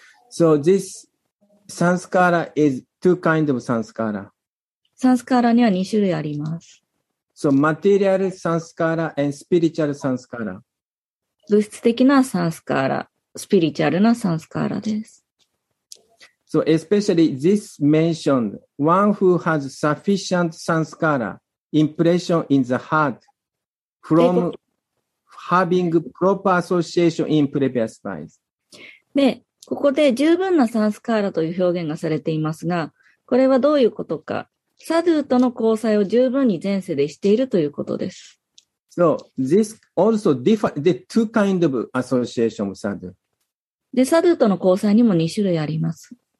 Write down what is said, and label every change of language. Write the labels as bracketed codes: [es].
[en] So this sanskara is two kinds of sanskara. [ja] サンスカーラには2種類あります。 [en] So material sanskara and spiritual sanskara. [ja] 物質的なサンスカーラ、スピリチュアルなサンスカーラです。 [en] So especially this mentioned, one who has sufficient sanskara, impression in the heart, from having proper association in previous lives. [ja] で、ここで十分なサンスカーラという表現がされていますが、これはどういうことか。サドゥとの交際を十分に前世でしているということです。 [en] So this also the two kind of association of sadhu. [ja] で、サドゥとの交際にも2種類あります。